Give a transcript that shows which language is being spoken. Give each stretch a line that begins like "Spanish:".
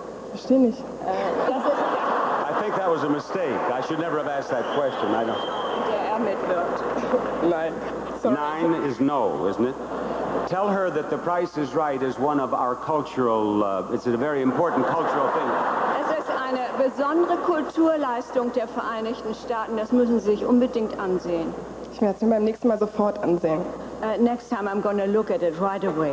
German: Verstehe nicht.
English: I think that was a mistake. I should never have asked that question. I don't.
German: Der mitwirkt. Nein.
English: Sorry. Nine is no, isn't it? Tell her that The Price is Right is one of our cultural, it's a very important cultural thing.
German: Es ist eine besondere Kulturleistung der Vereinigten Staaten. Das müssen Sie sich unbedingt ansehen. Ich werde es mir beim nächsten Mal sofort ansehen.
English: Next time I'm going to look at it right away.